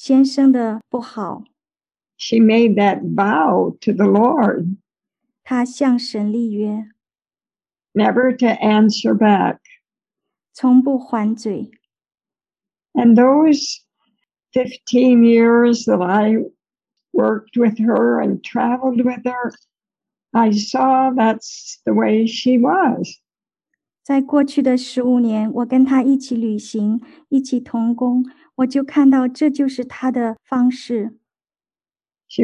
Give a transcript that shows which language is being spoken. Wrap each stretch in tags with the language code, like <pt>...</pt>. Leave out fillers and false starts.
<zh>我曾经说过，她在中国的时候，她从来没有说过先生的不好。She</zh> <en>made that vow to the Lord.</en> <zh>她向神立约。Never</zh> <en>to answer back.</en> <zh>从不还嘴。And</zh> <en>those 15 years that I worked with her and traveled with her, I saw that's the way she was.</en> <zh>在过去的15年，我跟他一起旅行，一起同工，我就看到这就是他的方式。She</zh>